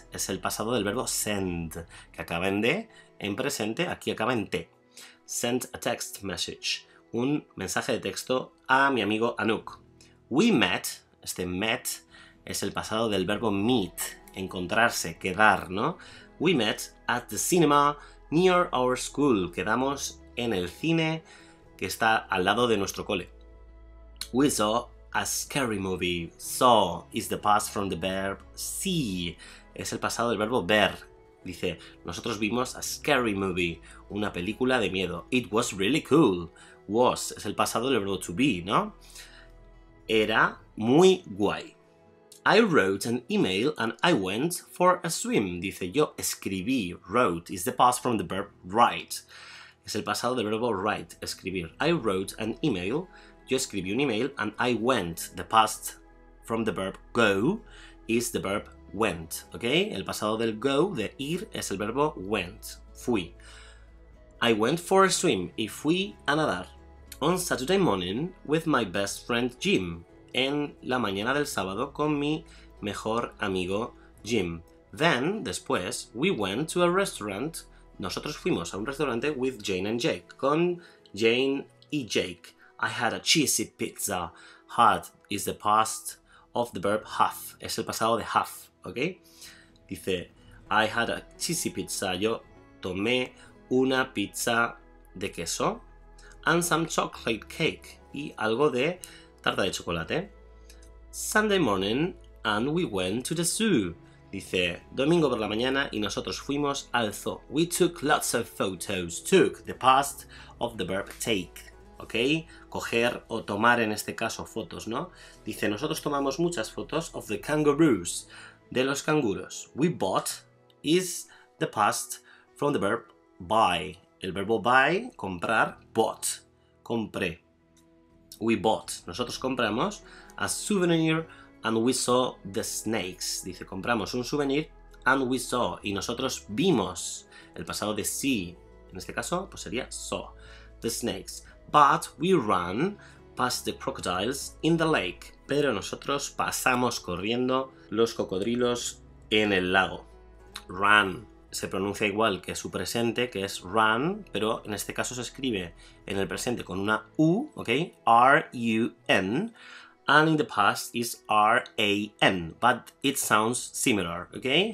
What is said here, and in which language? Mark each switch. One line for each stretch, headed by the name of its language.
Spanish: Es el pasado del verbo send, que acaba en D, en presente, aquí acaba en T.
English: Sent a text message.
Spanish: Un mensaje de texto a mi amigo Anouk.
English: We met,
Spanish: este met es el pasado del verbo meet, encontrarse, quedar, ¿no?
English: We met at the cinema near our school.
Spanish: Quedamos en el cine que está al lado de nuestro cole.
English: We saw a scary movie. Saw is the past from the verb see.
Spanish: Es el pasado del verbo ver. Dice, nosotros vimos
English: a scary movie,
Spanish: una película de miedo.
English: It was really cool.
Spanish: Was es el pasado del verbo to be, ¿no? Era muy guay.
English: I wrote an email and I went for a swim.
Spanish: Dice, yo escribí,
English: wrote. Is the past from the verb write.
Spanish: Es el pasado del verbo write, escribir.
English: I wrote an email.
Spanish: Yo escribí un email
English: and I went. The past from the verb go is the verb went. Okay?
Spanish: El pasado del go, de ir, es el verbo went. Fui.
English: I went for a swim.
Spanish: Y fui a nadar.
English: On Saturday morning with my best friend Jim.
Spanish: En la mañana del sábado con mi mejor amigo Jim.
English: Then, después, we went to a restaurant.
Spanish: Nosotros fuimos a un restaurante
English: with Jane and Jake.
Spanish: Con Jane y Jake.
English: I had a cheesy pizza. Had is the past of the verb have.
Spanish: Es el pasado de have, ¿ok? Dice,
English: I had a cheesy pizza.
Spanish: Yo tomé una pizza de queso.
English: And some chocolate cake.
Spanish: Y algo de tarta de chocolate.
English: Sunday morning and we went to the zoo.
Spanish: Dice, domingo por la mañana y nosotros fuimos al zoo.
English: We took lots of photos. Took, the past of the verb take. ¿Ok?
Spanish: Coger o tomar en este caso fotos, ¿no? Dice, nosotros tomamos muchas fotos
English: of the kangaroos.
Spanish: De los canguros.
English: We bought is the past from the verb buy.
Spanish: El verbo buy, comprar, bought, compré.
English: We bought,
Spanish: nosotros compramos,
English: a souvenir and we saw the snakes.
Spanish: Dice, compramos un souvenir
English: and we saw,
Spanish: y nosotros vimos. El pasado de see, en este caso, pues sería saw,
English: the snakes.
Spanish: But we ran past the crocodiles in the lake. Pero nosotros pasamos corriendo los cocodrilos en el lago. Run. Se pronuncia igual que su presente, que es run, pero en este caso se escribe en el presente con una U, ¿ok?
English: R-U-N, and in the past is R-A-N, but it sounds similar, ¿ok?